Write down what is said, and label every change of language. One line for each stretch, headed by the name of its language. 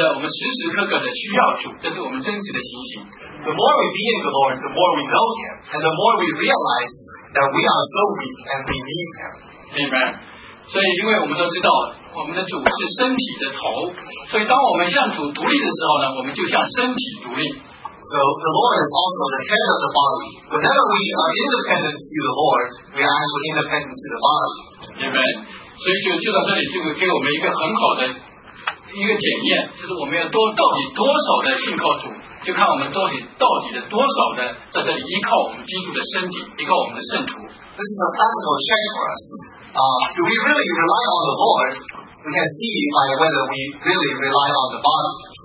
Chinese: 所以实际上我们是在越在主里面，我们就越认识主。我们越在他里面长大呢，我们越觉得自己是软弱的。我们越来越觉得我们时时刻刻的需要主，这是我们真实的情形。
English: The more we be in the Lord, the more we know Him, and the more we realize that we are so weak and we need Him. Amen.
Chinese: 所以因为我们都知道，我们的主是身体的头，所以当我们向主独立的时候呢，我们就向身体独立。
English: So the Lord is also the head of the body. Whenever we are independent to the Lord, we are actually independent to the body. Amen.
Chinese: 所以就在这里就给我们一个很好的一个检验，就是我们要多到底多少的信靠主，就看我们到底到底的多少的在这里依靠我们基督的身体，依靠我们的圣徒。
English: This is a practical check for us. Do we really rely on the Lord? We can see by whether we really rely on the body.